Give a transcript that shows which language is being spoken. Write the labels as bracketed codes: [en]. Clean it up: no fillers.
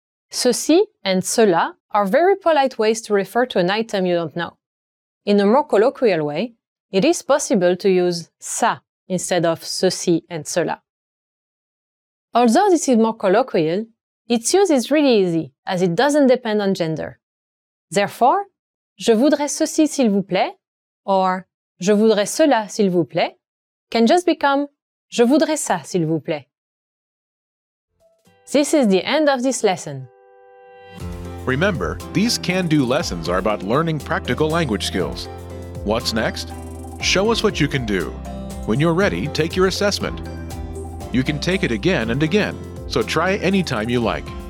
[en] Ceci and cela are very polite ways to refer to an item you don't know. In a more colloquial way, it is possible to use ça instead of ceci and cela. Although this is more colloquial, its use is really easy, as it doesn't depend on gender. Therefore, [fr] je voudrais ceci s'il vous plaît, [en] or [fr] je voudrais cela s'il vous plaît, [en] can just become [fr] je voudrais ça s'il vous plaît. [en] This is the end of this lesson. Remember, these can-do lessons are about learning practical language skills. What's next? Show us what you can do. When you're ready, take your assessment. You can take it again and again, so try anytime you like.